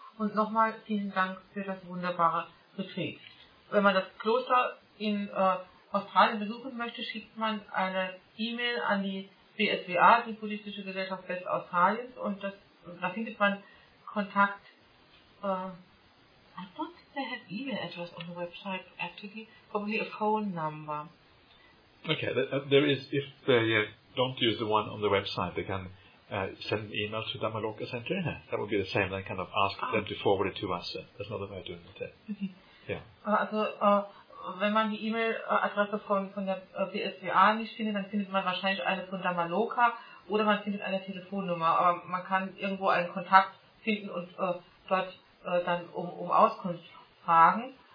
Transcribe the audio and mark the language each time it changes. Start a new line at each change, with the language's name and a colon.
German: Und nochmal vielen Dank für das wunderbare Retreat. Wenn man das Kloster in Australien besuchen möchte, schickt man eine E-Mail an die BSWA, die Buddhistische Gesellschaft West-Australiens, und da findet man Kontakt.
English: I don't think they have email address on the website, actually, probably a phone number. Okay, there is, if they don't use the one on the website, they can send an email to Dhammaloka Center. Yeah, that would be the same, then kind of ask them to forward it to us. That's another way of doing it. Okay. Yeah.
German: Also, wenn man die E-Mail-Adresse von der BSWA nicht findet, dann findet man wahrscheinlich eine von Dhammaloka oder man findet eine Telefonnummer. Aber man kann irgendwo einen Kontakt finden und dort dann um Auskunft fragen.